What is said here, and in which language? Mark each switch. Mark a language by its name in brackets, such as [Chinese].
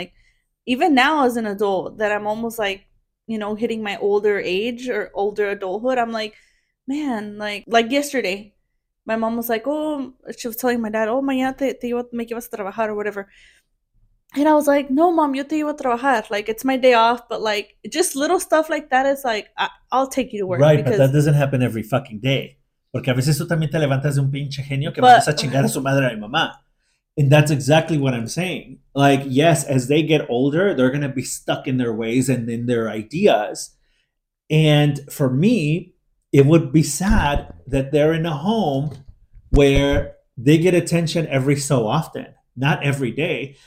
[English] Like, even now as an adult that I'm almost, like, you know, hitting my older age or older adulthood, I'm like, man, like yesterday. My mom was like, oh, she was telling my dad, oh, [Spanish] mañana te iba a [English] make you [Spanish] a trabajar [English] or whatever. And I was like, no, mom, [Spanish] yo te iba a trabajar. [English] Like, it's my day off. But, like, just little stuff like that is like, I'll take you to work. Right, because... but that doesn't happen every fucking day. [Spanish] Porque a veces tú también te levantas de un pinche genio que vas a chingar a su madre a mi mamá. [English] And that's exactly what I'm saying. Like, yes, as they get older, they're going to be stuck in their ways and in their ideas. And for me... it would be sad that they're in a home where they get attention every so often, not every day.